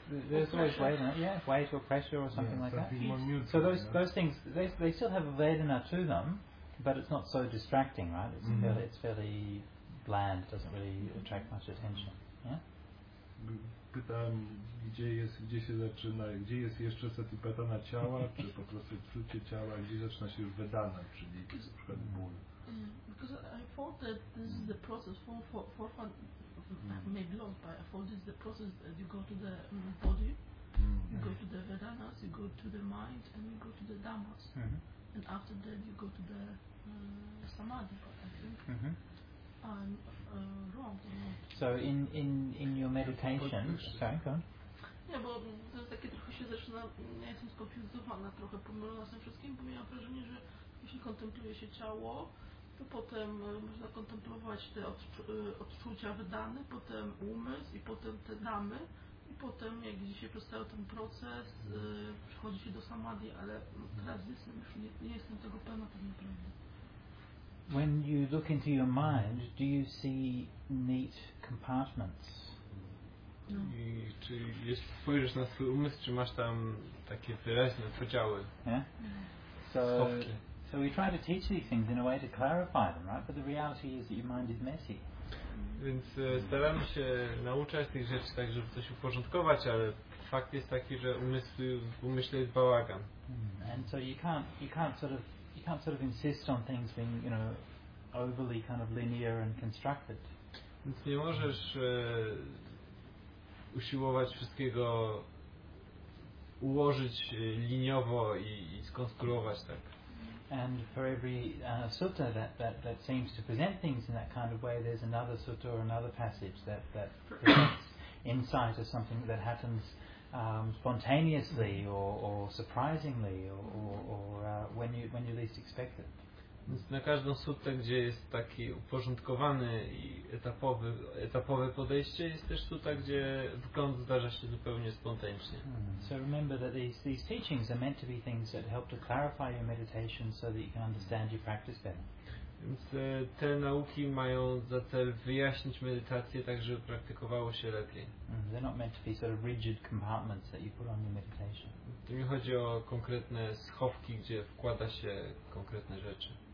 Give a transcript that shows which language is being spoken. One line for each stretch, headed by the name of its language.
English: There's always vedana, yeah, weight or pressure or something like that. More neutral, so those things, they still have a vedana to them, but it's not so distracting, right? It's, mm-hmm. fairly, it's fairly bland, it doesn't really attract much attention.
Polish: Pytam, gdzie się zaczyna, gdzie jest jeszcze satipatthana ciała, czy po prostu czucie ciała, gdzie zaczyna się już vedana, czyli na przykład ból.
English: Because I thought that this is the process for maybe long, but I thought this is the process that you go to the body, you go to the vedanas, you go to the mind, and you go to the dhammas, mm-hmm. and after that you go to the samadhi, I think. Mm-hmm. I'm wrong. So in your meditation, sorry, go on.
Polish: Yeah, bo to jest takie trochę się zaczyna, ja jestem skonfuzowana, trochę pomylona z tym wszystkim, bo miałam wrażenie, że jeśli kontempluje się ciało, to potem można kontemplować te odczucia wydane, potem umysł i potem te damy i potem jak dzisiaj przestaje ten proces, przychodzi się do samadhi, ale teraz jestem już nie jestem tego pewna tak naprawdę.
English: When you look into your mind, do you see neat compartments? No.
Polish: Czy jeśli spojrzysz na swój umysł, czy masz tam takie wyraźne podziały?
English: Yeah. So we try to teach these things in a way to clarify them, right? But the reality is that your mind is messy.
Polish: Więc staramy się nauczać tych rzeczy tak, żeby coś uporządkować, ale fakt jest taki, że umysł jest bałagan.
English: And so you can't sort of insist on things being, you know, overly kind of linear and constructed.
Polish: Więc nie możesz usiłować wszystkiego ułożyć liniowo i skonstruować tak.
English: And for every sutta that seems to present things in that kind of way, there's another sutta or another passage that presents insight or something that happens spontaneously or surprisingly or when you least expect it.
Polish: Więc na każdą suttę, gdzie jest taki uporządkowany i etapowe podejście, jest też sutta, gdzie wgląd zdarza się zupełnie spontanicznie.
English: So remember that these teachings are meant to be things that help to clarify your meditation so that you can understand your practice better.
Polish: Więc te nauki mają za cel wyjaśnić medytację tak, żeby praktykowało się lepiej.
English: They're not meant to be sort of rigid compartments that you put on your meditation.
Polish: To mi chodzi o konkretne schowki, gdzie wkłada się konkretne rzeczy.